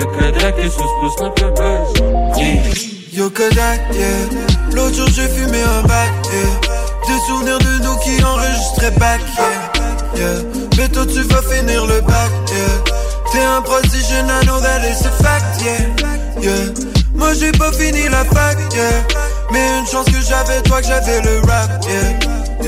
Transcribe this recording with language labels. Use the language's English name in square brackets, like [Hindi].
[French] Yo Kodak, yeah. L'autre jour j'ai fumé un bat, yeah. Des souvenirs de nous qui enregistraient back, yeah. Yeah. Mais toi tu vas finir le bac, yeah. T'es un prodige, [English] I know that it's a fact, yeah. [French] Yeah. Moi j'ai pas fini la fac, yeah. Mais une chance que j'avais, toi que j'avais le rap, yeah.